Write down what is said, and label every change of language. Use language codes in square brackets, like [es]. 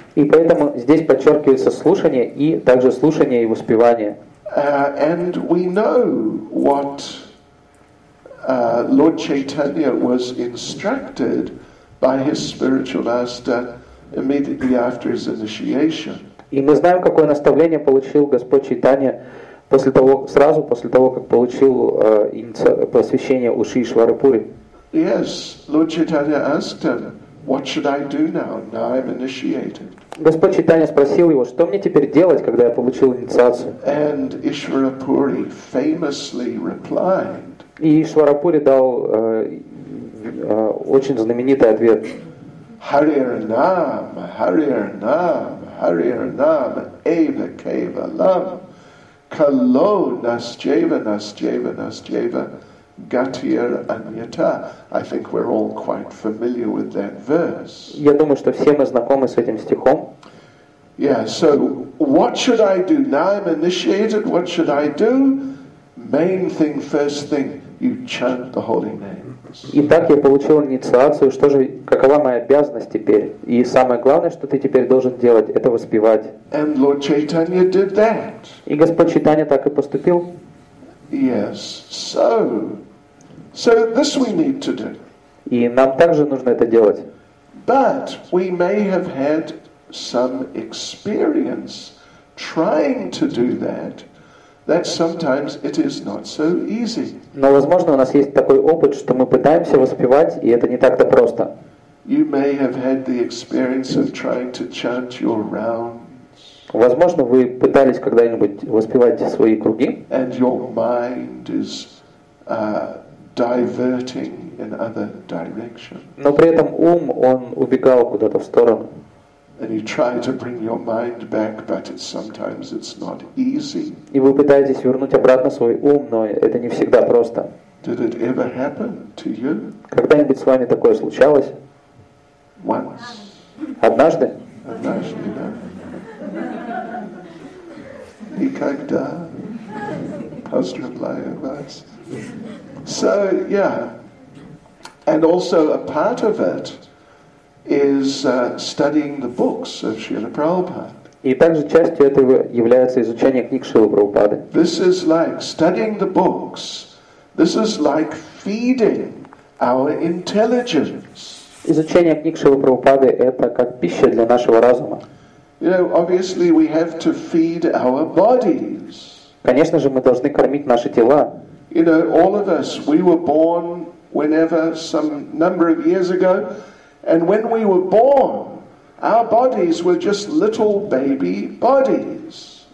[ru] И поэтому здесь подчеркивается слушание и также слушание и воспевание. [en] And we know what Lord Chaitanya was instructed by his spiritual master immediately after his initiation. [ru] И мы знаем, какое наставление получил Господь Чайтанья после того, сразу после того, как получил посвящение у Шри Шварапури. [en] Yes, Lord Chaitanya asked him, "What should I do now? Now I'm initiated." [ru] Господь Чайтанья спросил его, что мне теперь делать, когда я получил инициацию. [en] And Ishwarapuri famously replied. [ru] И Ишварапури дал очень знаменитый ответ. [sa] Hariranam, Hariranam, Hariranam, Eva Keva Lam, Kalo Nasjeva, Nasjeva, Nasjeva, Gatir Anyata. [en] I think we're all quite familiar with that verse. [ru] Я думаю, что все мы знакомы с этим стихом. [en] Yeah, so what should I do? Now I'm initiated, what should I do? Main thing, first thing, you chant the holy name. [ru] Итак, я получил инициацию, что же, какова моя обязанность теперь? И самое главное, что ты теперь должен делать, это воспевать. [en] And Lord Chaitanya did that. [ru] И Господь Чайтанья так и поступил. [en] Yes. So this we need to do. [ru] И нам также нужно это делать. [en] But we may have had some experience trying to do that. That sometimes it is not so easy. [ru] Но возможно у нас есть такой опыт, что мы пытаемся воспевать, и это не так-то просто. [en] You may have had the experience of trying to chant your rounds. [ru] Возможно, вы пытались когда-нибудь воспевать свои круги. [en] And your mind is diverting in other directions. [ru] Но при этом ум он убегал куда-то в сторону. [en] And you try to bring your mind back, but sometimes it's not easy. [ru] И вы пытаетесь вернуть обратно свой ум, но это не всегда просто. [en] Did it ever happen to you? [ru] Когда-нибудь с вами такое случалось? [en] Once. [ru] Однажды? Однажды, да. Никогда. Поздравляю вас. [en] So, yeah. And also a part of it is studying the books of Srila Prabhupada. [ru] И также частью этого является изучение книг Шрилы Прабхупады. [en] This is like studying the books. This is like feeding our intelligence. [ru] Изучение книг Шрилы Прабхупады это как пища для нашего разума. [en] You know, obviously we have to feed our bodies. [ru] Конечно же, мы должны кормить наши тела. [en] You know, all of us, we were born whenever some number of years ago. And when we were born, our bodies were just little baby bodies.